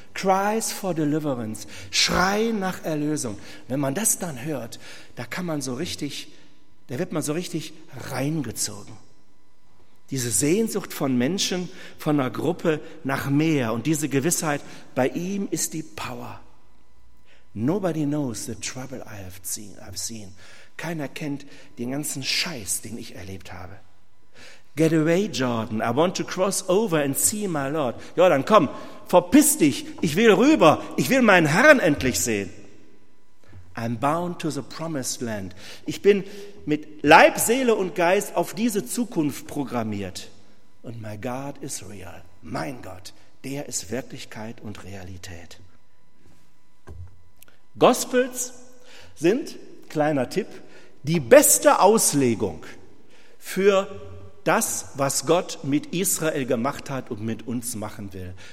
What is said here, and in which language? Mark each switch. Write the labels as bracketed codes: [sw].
[en] Cries for deliverance, [de] Schrei nach Erlösung. Wenn man das dann hört, da wird man so richtig reingezogen. Diese Sehnsucht von Menschen, von einer Gruppe nach mehr und diese Gewissheit, bei ihm ist die Power. [en] Nobody knows the trouble I've seen. [de] Keiner kennt den ganzen Scheiß, den ich erlebt habe. [en] Get away, Jordan. I want to cross over and see my Lord. [de] Jordan, komm, verpiss dich. Ich will rüber. Ich will meinen Herrn endlich sehen. [en] I'm bound to the promised land. [de] Ich bin mit Leib, Seele und Geist auf diese Zukunft programmiert. [en] And my God is real. [de] Mein Gott, der ist Wirklichkeit und Realität. Gospels sind, kleiner Tipp, die beste Auslegung für das, was Gott mit Israel gemacht hat und mit uns machen will.